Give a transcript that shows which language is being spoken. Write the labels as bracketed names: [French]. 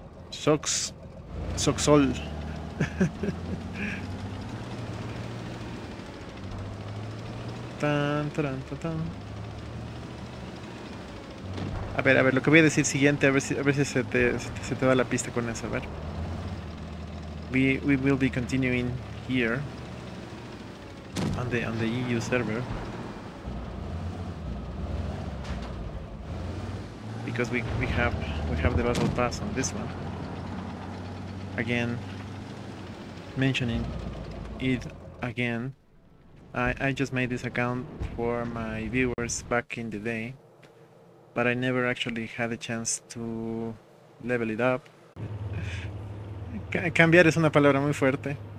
[Spanish] Soxol. Tan, tan, tan, tan. A ver, lo que voy a decir siguiente, a ver si se te da la pista con eso, a ver. [English] We will be continuing here on the EU server. Because we have the battle pass on this one. Again, mentioning it again, I just made this account for my viewers back in the day, but I never actually had a chance to level it up. [Spanish] Cambiar es una palabra muy fuerte.